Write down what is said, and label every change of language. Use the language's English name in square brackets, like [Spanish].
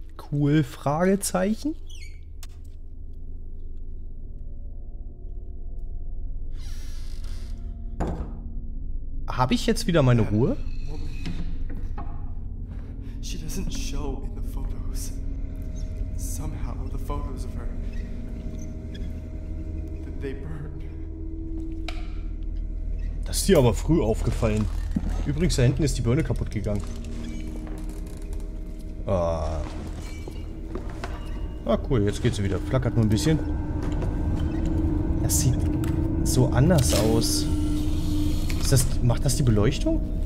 [German] Cool, Fragezeichen. Habe ich jetzt wieder meine Ruhe? [English] She doesn't show in the photos. Somehow the photos of her. They burned. [German] Das ist dir aber früh aufgefallen. Übrigens, da hinten ist die Birne kaputt gegangen. Ah. Ah, cool, jetzt geht sie wieder. Flackert nur ein bisschen. Das sieht so anders aus. Macht das die Beleuchtung?